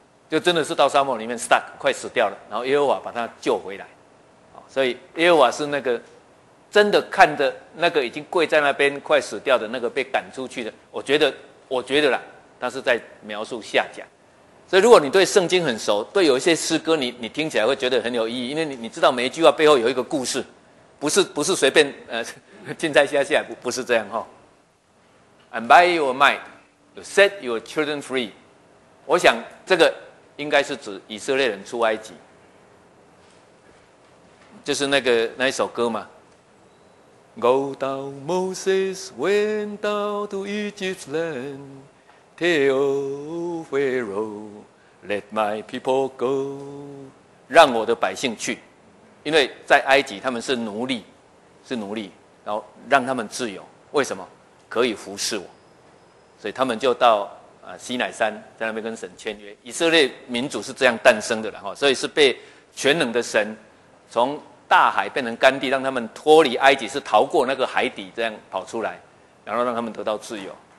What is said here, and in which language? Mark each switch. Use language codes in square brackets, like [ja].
[zh] 就真的是到沙漠里面 stuck 快死掉了，然后耶和华把他救回来，所以耶和华是那个真的看着那个已经跪在那边快死掉的那个被赶出去的，我觉得啦，他是在描述夏甲。所以如果你对圣经很熟，对有一些诗歌你听起来会觉得很有意义，因为你知道每一句话背后有一个故事，不是随便轻彩下不是这样哈。 [en] And by your mind, you set your children free。 [zh] 我想这个。应该是指以色列人出埃及，就是那一首歌嘛。 [en] Go down, Moses went down to Egypt's land, tell Pharaoh, let my people go. [zh] 让我的百姓去，因为在埃及他们是奴隶，然后让他们自由，为什么？可以服侍我，所以他们就到。西乃山在那边跟神签约，以色列民族是这样诞生的，所以是被全能的神从大海变成干地，让他们脱离埃及，是逃过那个海底这样跑出来，然后让他们得到自由。